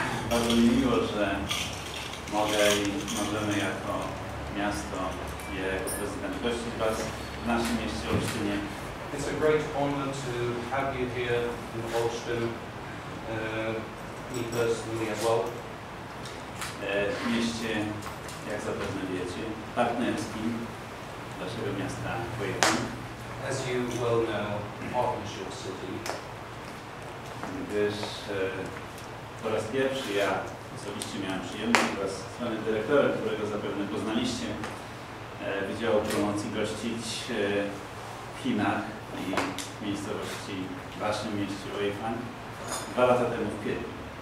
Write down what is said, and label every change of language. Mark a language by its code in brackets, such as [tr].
[pl] Bardzo mi miło, że możemy jako miasto i jako prezydent gościć Was w naszym mieście Olsztynie. [en] It's a great honor to have you here in Olsztyn, me personally as well. [pl] W mieście, jak zapewne wiecie, partnerskim naszego miasta Wojewódzkim. [en] As you well know, partnership city. [pl] Gdyż po raz pierwszy ja osobiście miałem przyjemność wraz z panem dyrektorem, którego zapewne poznaliście, Wydziału Promocji gościć w Chinach i w miejscowości, w waszym mieście Weifang, 2 lata temu w kwietniu.